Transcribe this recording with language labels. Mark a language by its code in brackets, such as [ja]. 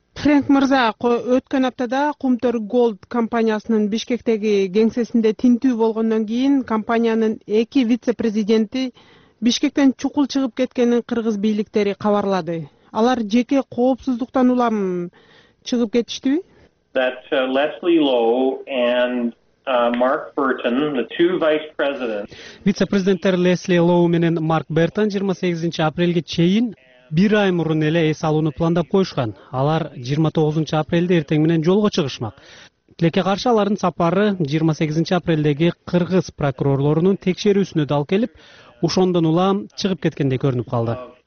[ky] Фрэнк Мырза, өткөн аптада Кумтор Голд компаниясынын Бишкектеги кеңсесинде тинтүү болгондон кийин компаниянын эки вице-президенти Бишкектен чукул чыгып кеткенин кыргыз бийликтери кабарлады. Алар жеке коопсуздуктан улам чыгып кетиштиби? [en] That's Leslie Lowe and Mark Burton, the two vice presidents. [ky] Вице-президенттер Leslie Lowe менен Mark Burton 28 апрелге чейин бир ай мурун эле эс алууну пландап коюшкан. Алар 29 апрелде эртең менен жолго чыгышмак. Тилекке каршы алардын сапары 28 апрелдеги кыргыз прокурорлорунун текшерүүсүнө да алып келип, ошондон улам чыгып кеткендей көрүнүп калды.